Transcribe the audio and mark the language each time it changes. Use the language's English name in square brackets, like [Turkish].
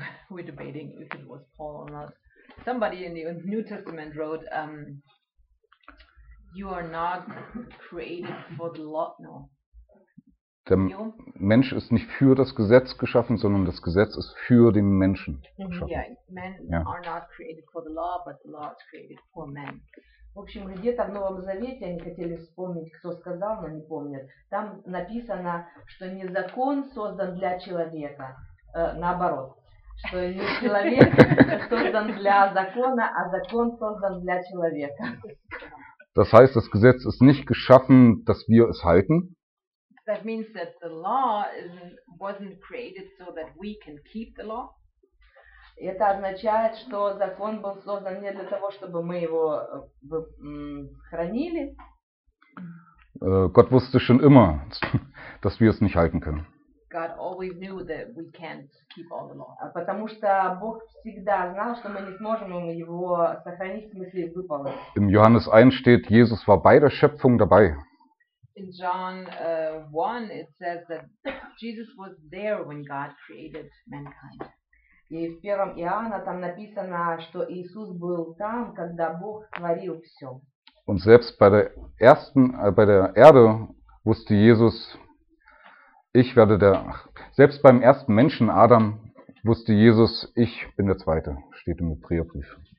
[English] We're debating if it was Paul or not. Somebody in the New Testament wrote, you are not created for the law. No. [German] Der Mensch ist nicht für das Gesetz geschaffen, sondern das Gesetz ist für den Menschen geschaffen. [English] Yeah, men yeah. are not created for the law, but the law is created for men. [Russian] В общем, где-то в Новом Завете, они хотели вспомнить, кто сказал, но не помнят, там написано, что не закон создан для человека, наоборот, что не человек создан для закона, а закон создан для человека. [German] Das heißt, das Gesetz ist nicht geschaffen, dass wir es halten. [English] That means that the law wasn't created so that we can keep the law. [Russian] Это означает, что закон был создан не для того, чтобы мы его хранили. [German] Gott wusste schon immer, dass wir es nicht halten können. [English] God always knew that we can't keep all the law. [Russian] Потому что Бог всегда знал, что мы не сможем его сохранить, в смысле выполнить. [German] In Johannes 1 steht, Jesus war bei der Schöpfung dabei. [English] In John 1 it says that Jesus was there when God created mankind. [Russian] И в первом Иоанна там написано, что Иисус был там, когда Бог творил все. [German] Und selbst bei der ersten, bei der Erde wusste Jesus, ich werde der. Selbst beim ersten Menschen Adam wusste Jesus, ich bin der Zweite, steht im Hebräerbrief.